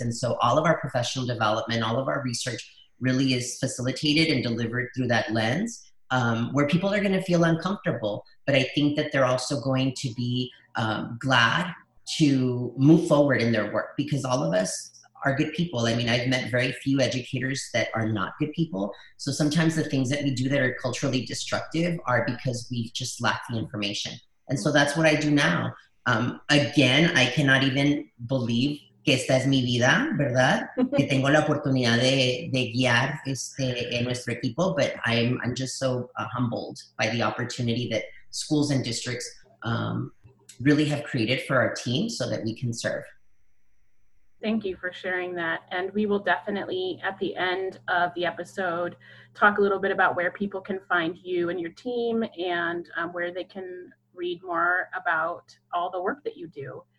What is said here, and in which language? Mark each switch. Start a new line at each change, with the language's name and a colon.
English: And so all of our professional development, all of our research really is facilitated and delivered through that lens, where people are going to feel uncomfortable. But I think that they're also going to be glad to move forward in their work, because all of us are good people. I mean, I've met very few educators that are not good people. So sometimes the things that we do that are culturally destructive are because we just lack the information. And so that's what I do now. Again, I cannot even believe
Spanish: que esta es mi vida, ¿verdad? Que tengo la oportunidad de guiar en nuestro equipo,
English: but I'm just so humbled by the opportunity that schools and districts really have created for our team so that we can serve. Thank you for sharing that. And we will definitely, at the end of the episode, talk a little bit about where people can find you and your team and where they can read more about all the work that you do.